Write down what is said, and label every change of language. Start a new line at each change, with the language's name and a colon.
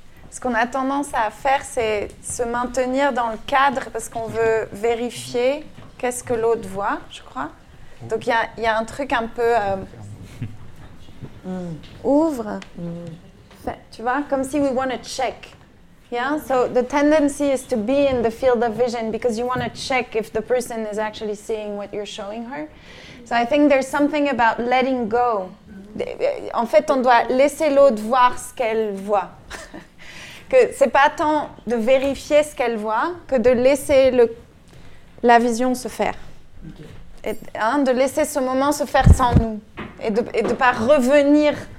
French: ce qu'on a tendance à faire, c'est se maintenir dans le cadre parce qu'on veut vérifier qu'est-ce que l'autre voit, je crois. Donc il y a un truc un peu ouvre, tu vois, comme si
English: we want to check. Yeah, so the tendency is to be in the field of vision because you want to check if the person is actually seeing what you're showing her. So I think there's something about letting go.
French: En fait, on doit laisser l'autre voir ce qu'elle voit. Que c'est pas tant de vérifier ce qu'elle voit que de laisser la vision se faire. Et, hein, de laisser ce moment se faire sans nous et de pas revenir.